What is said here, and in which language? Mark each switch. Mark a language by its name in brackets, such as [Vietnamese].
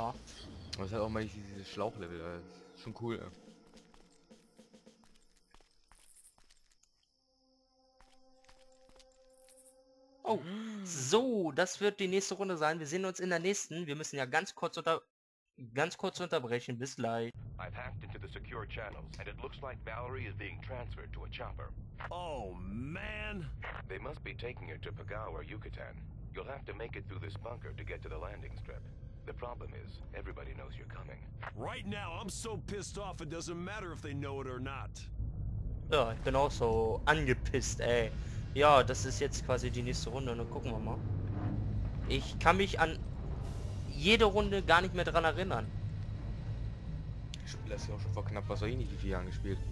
[German] Aber es ist halt auch mal dieses Schlauchlevel, das ist schon cool, ne? Oh, so, das wird die nächste Runde sein. Wir sehen uns in der nächsten. Wir müssen ja ganz kurz unterbrechen. Bis gleich. [English] I've hacked into the secure channels and it looks like Valerie is being transferred to a chopper. Oh man! They must be taking her to Pagao or Yucatan. You'll have to make it through this bunker to get to the landing strip. The problem is, everybody knows you're coming. Right now, I'm so pissed off, it doesn't matter if they know it or not. [German] Ja, ich bin auch so angepisst, ey. Ja, das ist jetzt quasi die nächste Runde, ne? Gucken wir mal. Ich kann mich an jede Runde gar nicht mehr dran erinnern. Ich spiele das ja auch schon vor knapp, was soll ich nicht, wie viele Jahre gespielt?